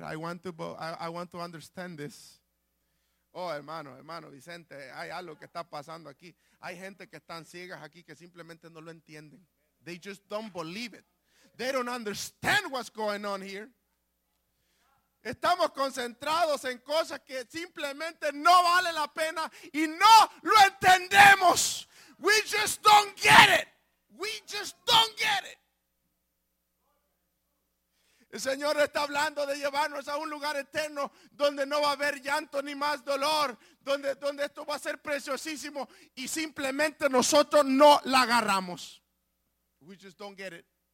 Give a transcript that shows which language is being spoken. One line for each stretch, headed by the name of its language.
English: I want to understand this.
Spanish: Oh, hermano Vicente, hay algo que está pasando aquí. Hay gente que están ciegas aquí que simplemente no lo entienden.
English: They just don't believe it. They don't understand what's going on here.
Spanish: Estamos concentrados en cosas que simplemente no vale la pena y no lo entendemos.
English: We just don't get it. We just don't get it.
Spanish: El Señor está hablando de llevarnos a un lugar eterno donde no va a haber llanto ni más dolor, donde esto va a ser preciosísimo y simplemente nosotros no la agarramos. We just don't get it.